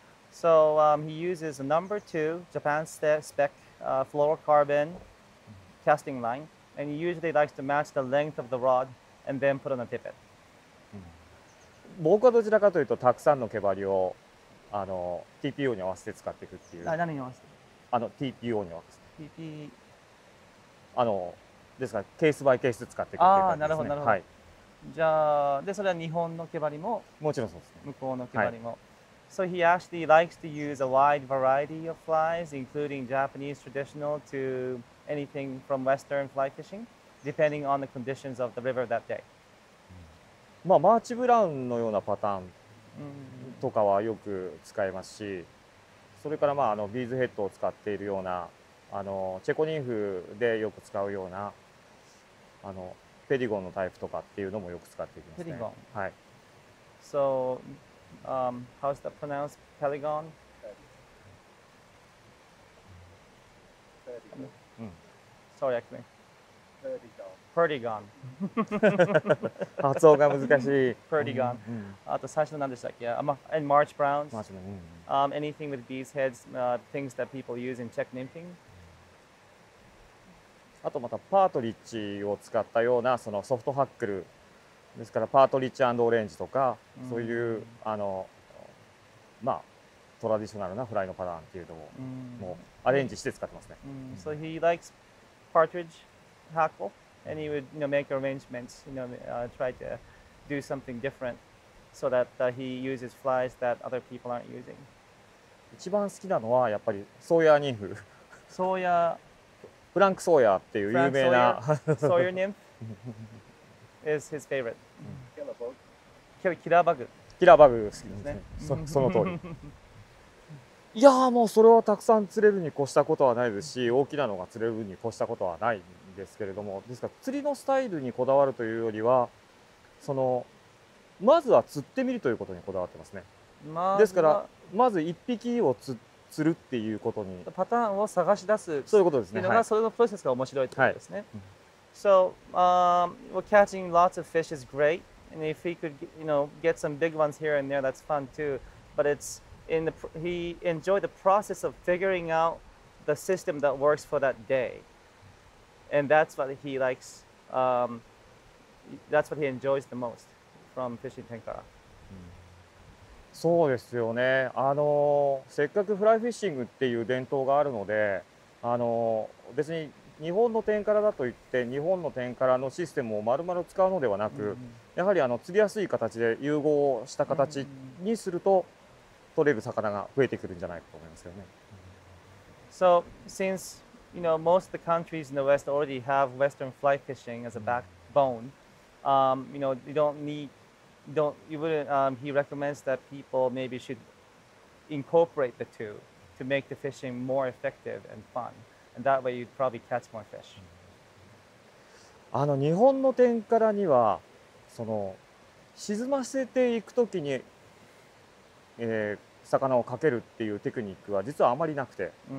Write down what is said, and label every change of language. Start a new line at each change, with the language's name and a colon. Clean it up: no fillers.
English: So he uses a number two Japan spec fluorocarbon casting line, and he usually likes to match the length of the rod and then put on a tippet.
Japanese: 僕はどちらかというとたくさんの毛針をあの TPO に合わせて使っていくっていう。あ、何に合わせて？あの TPO に合わせて。 TP あのですからケースバイケース使っていくっていう感じですね。ああ、なるほどなるほど。はい。じゃあでそれは日本の毛針ももちろんそうですね。向こうの毛針も。
English: はい、so he actually likes to use a wide variety of flies, including Japanese traditional to anything from Western fly fishing, depending on the conditions of the river that day.
Japanese: まあ、マーチブラウンのようなパターンとかはよく使えますし、それからまああのビーズヘッドを使っているようなあのチェコニンフでよく使うようなあのペリゴンのタイプとかっていうのもよく使っていきますね。ペリゴン。はい。
English: So, how's that pronounced? ペリゴン。 Sorry, actually. Perdigon.
Japanese: Perdigon. 発音が難しい。 Perdigon. うん、うん、あと最初何でしたっけ、
English: yeah. And March Browns. March Browns.、うん、anything with bees heads,、things that people use in Czech nymphing.
Japanese: あとまたパートリッジを使ったようなそのソフトハックルですからパートリッジ&オレンジとか、うん、そういうあのまあトラディショナルなフライのパターンっていうのを、うん、もうアレンジして使ってますね。うんうん、
English: so he likes partridgeHackle, and he would, you know, make arrangements, you know, try to do something different, so that he uses flies that other people aren't using.
Japanese: 一番好きなのはやっぱりソーヤーニンフ。ソーヤー。フランクソーヤーっていう有名な。
English: ソーヤーニンフ。is his favorite.
Japanese: キラバグ。キラバグ。キラバグ好きですね。その通り。いやーもうそれはたくさん釣れるに越したことはないですし、大きなのが釣れるに越したことはない。ですけれども、ですから釣りのスタイルにこだわるというよりは、そのまずは釣ってみるということにこだわってますね。まあ、ですからまず1匹を釣るっていうことに、パターンを探し出す、そういうことですね。っていうのが、それのプロセスが面白いということですね。
English: はい、so, well, catching lots of fish is great, and if he could, you know, get some big ones here and there, that's fun too. But it's in the he enjoyed the process of figuring out the system that works for that day. And that's what he likes, that's what he enjoys the most from fishing Tenkara.
Japanese: そうですよね。あの、せっかくフライフィッシングっていう伝統があるので、あの、別に日本の Tenkara だといって、日本の Tenkara のシステムを丸々使うのではなく、mm-hmm. やはりあの釣りやすい形で融合した形にすると、mm-hmm. 取れる魚が増えてくるんじゃないかと思いますよね。
English: So, since... You know, most of the countries in the West already have Western fly fishing as a backbone. You know, you don't need, don't, you wouldn't, he recommends that people maybe should incorporate the two to make the fishing more effective and fun. And that way you'd probably catch more fish.
Japanese: あの、日本の点からには、その、沈ませていくときに、魚をかけるっていうテクニックは実はあまりなくて。